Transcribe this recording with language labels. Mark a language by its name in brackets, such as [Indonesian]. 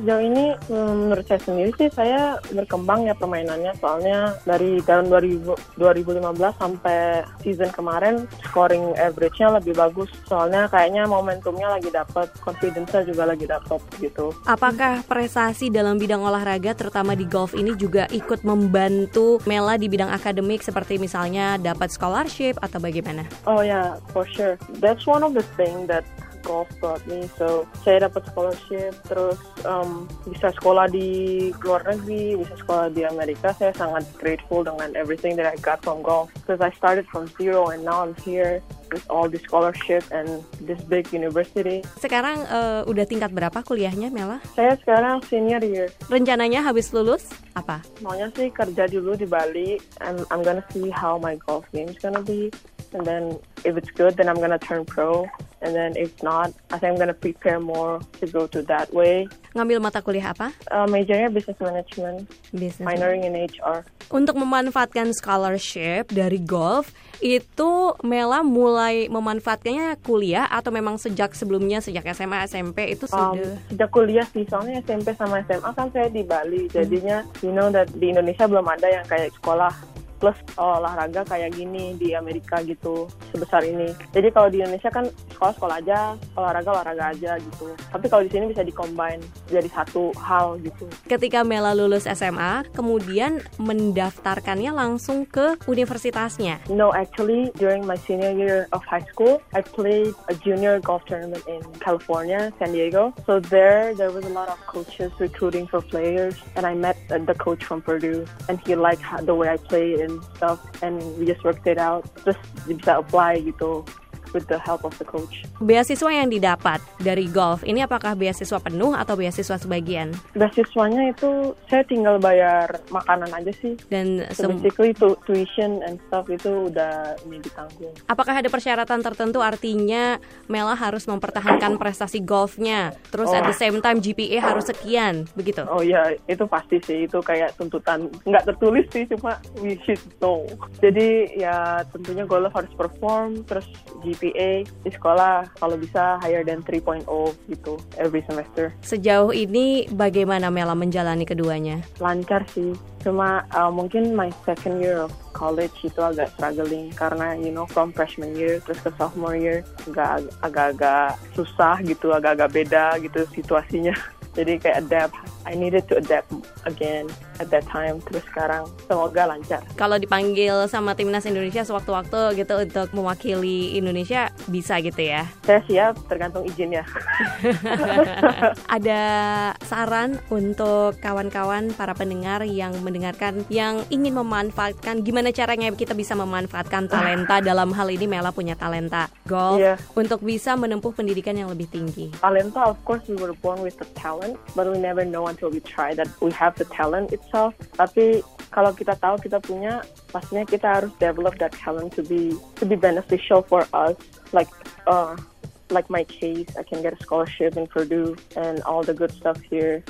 [Indonesian] Sejauh ini menurut saya sendiri sih, saya berkembang ya permainannya, soalnya dari tahun 2015 sampai season kemarin scoring average-nya lebih bagus, soalnya kayaknya momentumnya lagi dapet, confidence-nya juga lagi dapet gitu. Apakah prestasi dalam bidang olahraga terutama di golf ini juga ikut membantu Mela di bidang akademik seperti misalnya dapat scholarship atau bagaimana? [English] Oh ya, yeah, for sure, that's one of the thing that golf brought me. [Indonesian] So saya dapat scholarship, terus bisa sekolah di luar negeri, bisa sekolah di Amerika. Saya sangat grateful dengan [English] everything that I got from golf, because I started from zero and now I'm here with all the scholarship and this big university. [Indonesian] Sekarang udah tingkat berapa kuliahnya Mela? Saya sekarang senior year. Rencananya habis lulus apa? Maunya sih kerja dulu di Bali [English] and I'm gonna see how my golf game is gonna be, and then if it's good then I'm gonna turn pro. And then if not, I think I'm gonna prepare more to go to that way. [Indonesian] Ngambil mata kuliah apa? Majornya business management. [English] Business. Minoring in HR. [Indonesian] Untuk memanfaatkan scholarship dari golf, itu Mela mulai memanfaatkannya kuliah atau memang sejak sebelumnya, sejak SMA, SMP itu sudah? Sejak kuliah sih, soalnya SMP sama SMA kan saya di Bali. Jadinya, [English] you know that [Indonesian] di Indonesia belum ada yang kayak sekolah plus olahraga kayak gini di Amerika gitu, sebesar ini. Jadi kalau di Indonesia kan sekolah-sekolah aja, olahraga-olahraga aja gitu. Tapi kalau di sini bisa dikombin jadi satu hal gitu. Ketika Mela lulus SMA, kemudian mendaftarkannya langsung ke universitasnya? [English] No, actually during my senior year of high school, I played a junior golf tournament in California, San Diego. So there was a lot of coaches recruiting for players, and I met the coach from Purdue, and he liked the way I played and stuff, and we just worked it out. Just [Indonesian] bisa [English] apply gitu with the help of the coach. [Indonesian] Beasiswa yang didapat dari golf ini apakah beasiswa penuh atau beasiswa sebagian? Beasiswanya itu saya tinggal bayar makanan aja sih. Dan [English] basically tuition and stuff [Indonesian] itu udah ini ditanggung. Apakah ada persyaratan tertentu, artinya Mela harus mempertahankan prestasi golfnya, terus [English] at the same time [Indonesian] GPA harus sekian, begitu? Oh iya, itu pasti sih, itu kayak tuntutan, nggak tertulis sih, cuma [English] we should know. [Indonesian] Jadi ya tentunya golf harus perform, terus GPA di sekolah kalau bisa [English] higher than 3.0 [Indonesian] gitu [English] every semester. [Indonesian] Sejauh ini bagaimana Mela menjalani keduanya? Lancar sih, cuma mungkin [English] my second year of college [Indonesian] itu agak struggling karena [English] you know from freshman year [Indonesian] terus ke sophomore year agak-agak susah gitu, agak-agak beda gitu situasinya. Jadi kayak [English] adapt, I needed to adapt again at that time, [Indonesian] terus sekarang semoga lancar. Kalau dipanggil sama Timnas Indonesia sewaktu-waktu gitu untuk mewakili Indonesia, bisa gitu ya? Saya siap, tergantung izinnya. Ada saran untuk kawan-kawan para pendengar yang mendengarkan, yang ingin memanfaatkan, gimana caranya kita bisa memanfaatkan talenta, dalam hal ini Mela punya talenta golf, yeah, untuk bisa menempuh pendidikan yang lebih tinggi? [English] Talenta, of course, we were born with the talent, but we never know until we try that we have the talent itself. [Indonesian] Tapi kalau kita tahu kita punya, pastinya kita harus [English] develop that talent to be beneficial for us, like my case, I can get a scholarship in Purdue and all the good stuff here.